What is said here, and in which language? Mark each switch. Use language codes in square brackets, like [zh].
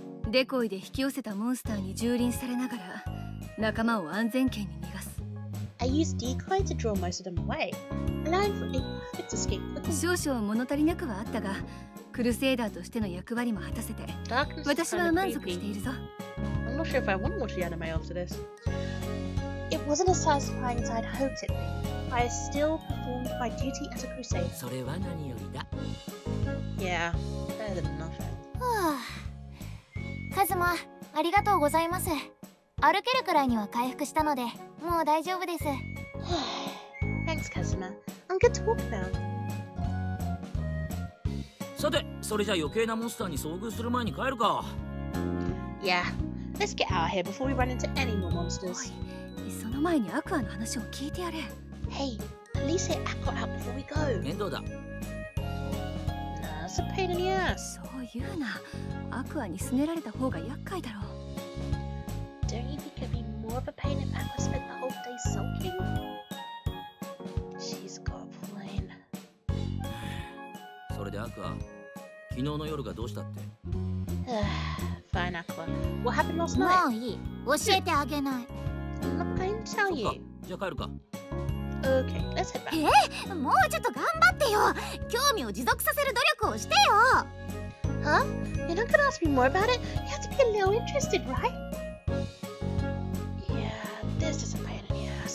[ja] デコイで引き寄せたモンスターに蹂躙されながら、仲間を安全圏に逃がす。 [en] I used decoy to draw most of them away, allowing for a perfect escape for them. [ja] 少々物足りなくはあったが、クルセイダーとしての役割も果たせて、私は満足しているぞ。 [en] I'm not sure if I want to watch the anime after this. It wasn't as satisfying as I'd hoped it'd be. I still performed my duty as a crusader. [ja] それは何よりだ。 [en] Yeah, better than nothing. [ja] カズマ、ありがとうございます。歩けるくらいには回復したので、もう大丈夫です。 [en] Thanks, Kazuma. I'm good to walk now. [ja] さて、それじゃ余計なモンスターに遭遇する前に帰るか。 [en] Yeah, let's get out of here before we run into any more monsters. [ja] その前にアクアの話を聞いてやれ。 [en] Hey, at least get Aqua out before we go. [ja] 面倒だ。 [en] That's a pain in the ass. [ja] そう言うな。アクアにすねられた方が厄介だろう。 [en] Don't you think it'd be more of a pain if Aqua spent the whole day sulking? She's got a point. [ja] それでアクア、昨日の夜がどうしたって。 [en] Fine, Aqua. What happened last night? [ja] もういい。教えてあげない。 [en] I'm not going to tell you. [ja] そっか。じゃあ帰るか。 [en] Okay, let's head back. [ja] もうちょっと頑張ってよ。興味を持続させる努力をしてよ。 [en] Huh? You're not gonna ask me more about it. You have to be a little interested, right? Yeah, this is a pain in the ass.